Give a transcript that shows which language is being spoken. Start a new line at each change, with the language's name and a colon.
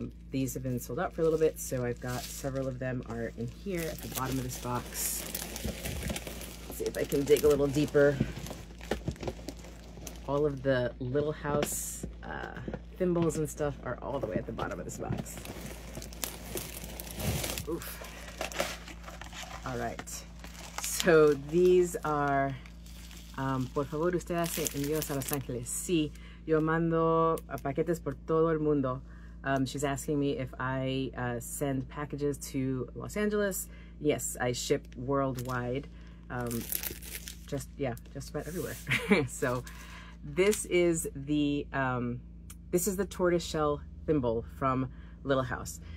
English: These have been sold out for a little bit, so I've got several of them are in here at the bottom of this box. See if I can dig a little deeper. All of the Little House thimbles and stuff are all the way at the bottom of this box. Oof. All right. So these are,
Spanish: por favor, usted hace envíos a Los Ángeles. Sí, yo mando paquetes por todo el mundo.
English: She's asking me if I send packages to Los Angeles. Yes, I ship worldwide. Just about everywhere. So this is the tortoise shell thimble from Little House.